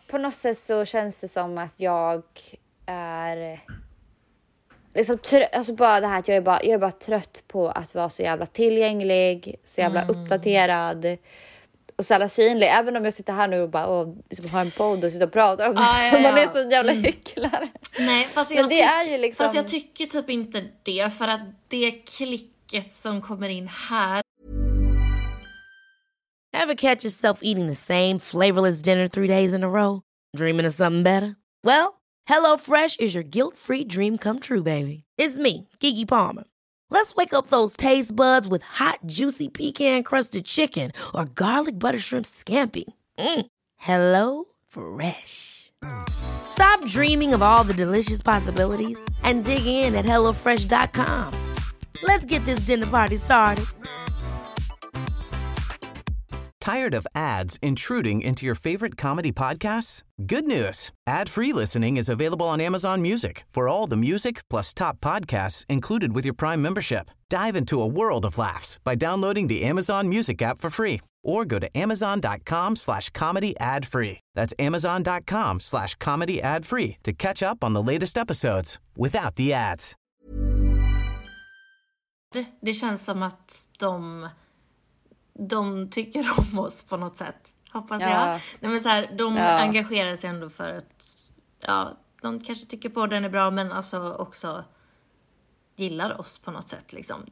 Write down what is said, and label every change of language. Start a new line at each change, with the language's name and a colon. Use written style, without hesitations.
Swedish: På något sätt så känns det som att jag är, liksom, alltså bara det här att jag är bara trött på att vara så jävla tillgänglig, så jävla uppdaterad och så jävla synlig, även om jag sitter här nu och bara liksom har en podd och sitter och pratar om man är så jävla hycklare. Nej, fast jag, det är ju liksom, fast jag tycker typ inte det, för att det klicket som kommer in här.
English: Ever catch yourself eating the same flavorless dinner 3 days in a row, dreaming of something better? Well, HelloFresh is your guilt-free dream come true, baby. It's me, Keke Palmer. Let's wake up those taste buds with hot, juicy pecan-crusted chicken or garlic butter shrimp scampi. Mm. Hello Fresh. Stop dreaming of all the delicious possibilities and dig in at HelloFresh.com. Let's get this dinner party started. Tired of ads intruding into your favorite comedy podcasts? Good news. Ad-free listening is available on Amazon Music for all the music plus top podcasts included with your Prime membership. Dive into a world of laughs by downloading the Amazon Music app for free or go to amazon.com/comedyadfree. That's amazon.com/comedyadfree to catch up on the latest episodes without the ads.
Swedish: Det känns som att de tycker om oss på något sätt, hoppas jag. Nej, men så här, de engagerar sig ändå för att de kanske tycker på den är bra, men alltså också gillar oss på något sätt liksom.